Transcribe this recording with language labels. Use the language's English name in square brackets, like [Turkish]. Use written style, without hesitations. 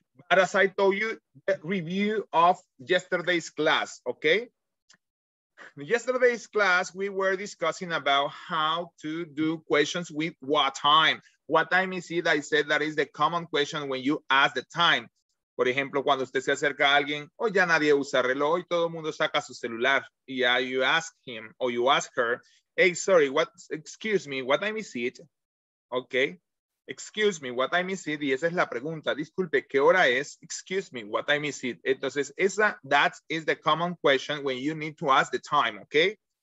[English] But as I told you, the review of yesterday's class, okay? In yesterday's class, we were discussing about how to do questions with what time. What time is it? I said that is the common question when you ask the time. [Spanish] Por ejemplo, cuando usted se acerca a alguien, o ya nadie usa reloj, y todo el mundo saca su celular. [English] Yeah, you ask him or you ask her, hey, sorry, what? Excuse me, what time is it? Okay. Excuse me, what time is it? [Spanish] Y esa es la pregunta. Disculpe, ¿qué hora es? [English] Excuse me, what time is it? [Spanish] Entonces, esa, [English] that is the common question when you need to ask the time, okay?